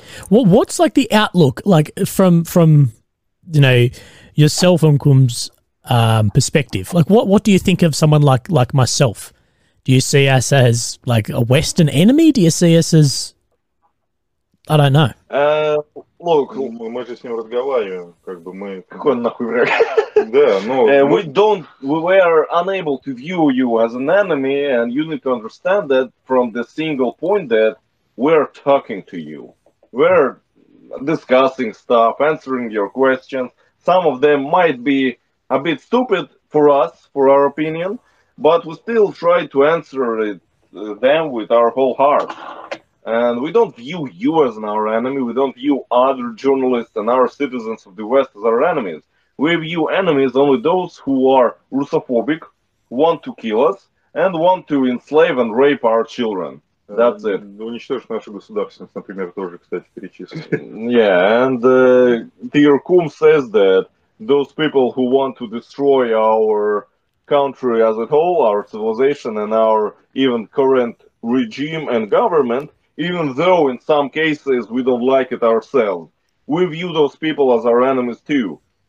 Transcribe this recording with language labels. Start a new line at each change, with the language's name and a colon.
English: Well, what's like the outlook like from you know yourself and Kum's perspective? Like, what do you think of someone like myself? Do you see us as like a Western enemy? Do you see us as I don't know? Look,
Russian: мы же с ним разговариваем, как бы мы какой нахуй враг?
English: We don't. We were unable to view you as an enemy, and you need to understand that from the single point that we're talking to you. We're discussing stuff, answering your questions. Some of them might be a bit stupid for us, for our opinion, but we still try to answer it, them with our whole heart. And we don't view you as our enemy. We don't view other journalists and our citizens of the West as our enemies. We view enemies only those who are Russophobic, want to kill us, and want to enslave and rape our children. That's it.
Russian: Уничтожить наше государственность, например, тоже, кстати, перечислено.
English: Yeah, and Pierre Coombe says that those people who want to destroy our country as a whole, our civilization and our even current regime and government, even though in some cases we don't like it ourselves, we view those people as our enemies too.